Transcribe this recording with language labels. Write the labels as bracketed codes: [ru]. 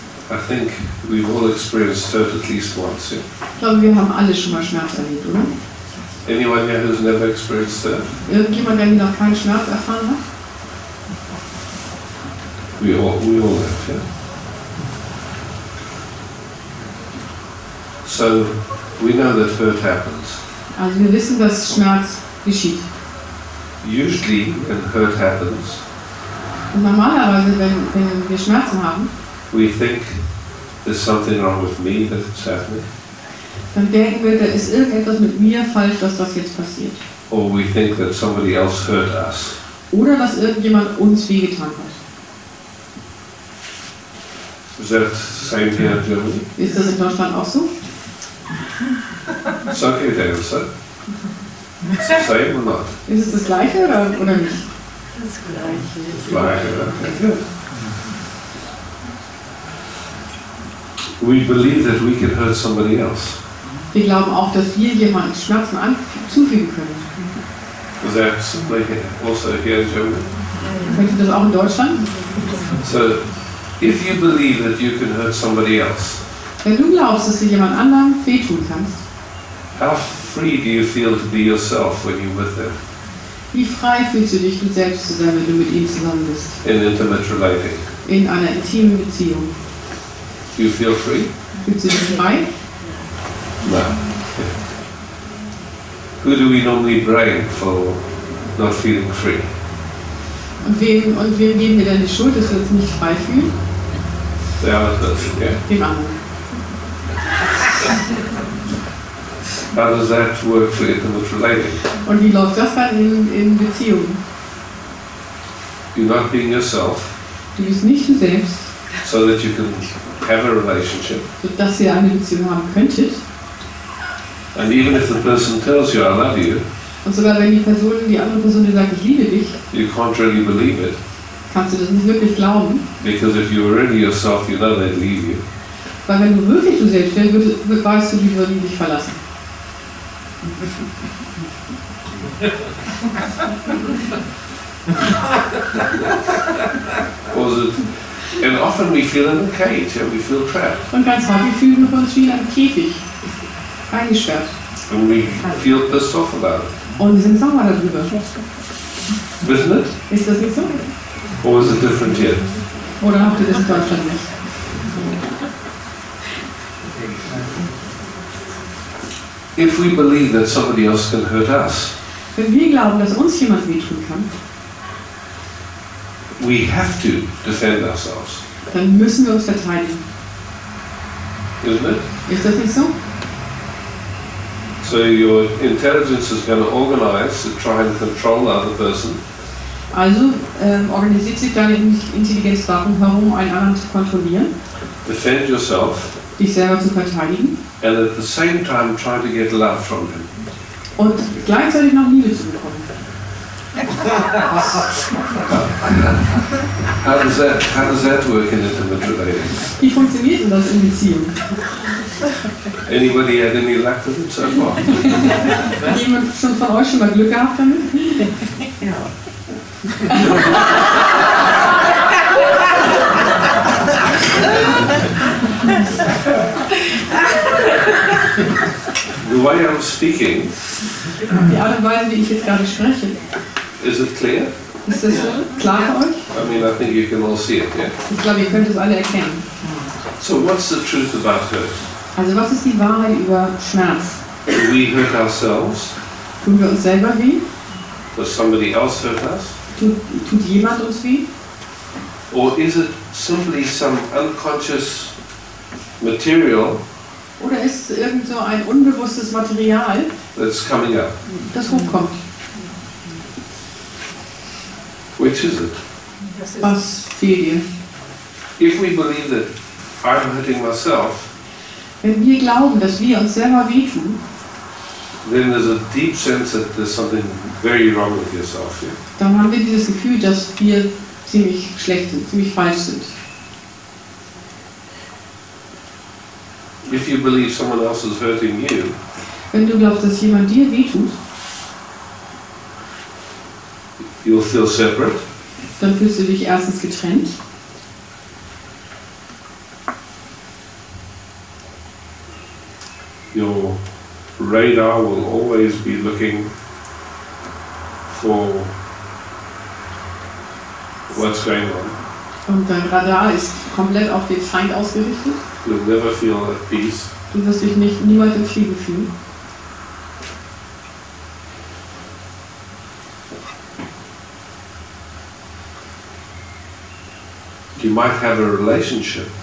[en] I think we've all experienced hurt at least once. Yeah. [de] Ich glaube, wir haben alle schon mal Schmerz erlebt, oder? [en] Anyone here who's never experienced hurt? [de] Irgendjemand, der noch keinen Schmerz erfahren hat? [en] We all have, yeah. So we know that hurt happens. [de] Also wir wissen, dass Schmerz geschieht. [en] Usually when hurt happens. [de] Und normalerweise, wenn wir Schmerzen haben, [en] we think there's something wrong with me that it's happening. [de] Dann denken wir, da ist irgendetwas mit mir falsch, dass das jetzt passiert. [en] Or we think that somebody else hurt us. [de] Oder dass irgendjemand uns wehgetan hat. [en] Is that same here in Germany? [de] Ist das in Deutschland auch so? [en] It's okay, Dan, so. Is it the same or not? [de] Ist es das gleiche oder nicht? Das gleiche. Das gleiche, okay. [en] We believe that we can hurt somebody else. [de] Wir glauben auch, dass wir jemandem Schmerzen zufügen können. [en] Is that simply also here in Germany? [de] Könnte das auch in Deutschland? [en] So, if you believe that you can hurt somebody else, [de] wenn du glaubst, dass du jemand anderem wehtun kannst, [en] how free do you feel to be yourself when you're with them? [de] Wie frei fühlst du dich, du selbst zu sein, wenn du mit ihm zusammen bist? [en] In intimate relating. [de] In einer intimen Beziehung. [en] Do you feel free? [de] Fühlst du dich frei? [en] No. Yeah. Who do we normally blame for not feeling free? [de] Und wem geben wir dann die Schuld, dass wir uns nicht frei fühlen? [en] The other person, yeah. [de] Dem anderen. [en] How does that work for intimate relating? [de] Und wie läuft das dann in Beziehung? [en] You're not being yourself. [de] Du bist nicht du selbst. [en] So that you can have a relationship. [de] So dass ihr eine Beziehung haben könntet. [en] And even if the person tells you I love you. [de] Und sogar wenn die andere Person dir sagt ich liebe dich. [en] You can't really believe it. [de] Kannst du das nicht wirklich glauben? [en] Because if you're really yourself, you know they'd leave you. [de] Weil wenn du wirklich du selbst wärst, weißt du, die würden dich verlassen. [en] And often we feel in a cage, yeah, we feel trapped. [de] Und ganz häufig fühlen wir uns wie in einem Käfig, eingesperrt. [en] And we feel pissed off about it. [de] Und wir sind sauer darüber. [en] Isn't it? [de] Ist das nicht so? [en] Or is it different here? [de] Oder habt ihr das in Deutschland nicht? [en] If we believe that somebody else can hurt us, [de] wenn wir glauben, dass uns jemand wehtun kann, [en] we have to defend ourselves. [de] Dann müssen wir uns verteidigen. [en] Isn't it? [de] Ist das nicht so? [en] So your intelligence is going to organize to try and control the other person. [de] Also organisiert sich deine Intelligenz darum herum, einen anderen zu kontrollieren. [en] Defend yourself. [de] Dich selber zu verteidigen. [en] And at the same time try to get love from him. [de] Und gleichzeitig noch Liebe zu bekommen. [en] How does that work in intimate relations? [de] Wie funktioniert denn das in Beziehung? [en] Anybody had any luck with it so far? [de] Hat jemand schon von euch schon mal Glück gehabt damit? [en] The way I'm speaking. [de] Die Art und Weise, wie ich jetzt gerade spreche. [en] Is it clear? [de] Ist das so klar für euch? [en] I mean, I think you can all see it, yeah. [de] Ich glaube, ihr könnt es alle erkennen. [en] So what's the truth about hurt? [de] Also was ist die Wahrheit über Schmerz? [en] Do we hurt ourselves? [de] Tun wir uns selber weh? [en] Does somebody else hurt us? [de] Tut jemand uns weh? [en] Or is it simply some unconscious material? [de] Oder ist es irgend so ein unbewusstes Material? [en] That's coming up. [de] Das hochkommt. [en] Which is it? [de] Was fehlt dir? [en] If we believe that I'm hurting myself. [de] Wenn wir glauben, dass wir uns selber wehtun, [en] then there's a deep sense that there's something very wrong with yourself here. [de] Dann haben wir dieses Gefühl, dass wir ziemlich schlecht sind, ziemlich falsch sind. [en] If you believe someone else is hurting you, [de] wenn du glaubst, dass jemand dir wehtut, [en] you'll feel separate. [de] Dann fühlst du dich erstens getrennt. [en] Your radar will always be looking for what's going on. [de] Und dein Radar ist komplett auf den Feind ausgerichtet. [en] You'll never feel at peace. [de] Du wirst dich niemals in Frieden fühlen. [en] You might have a relationship.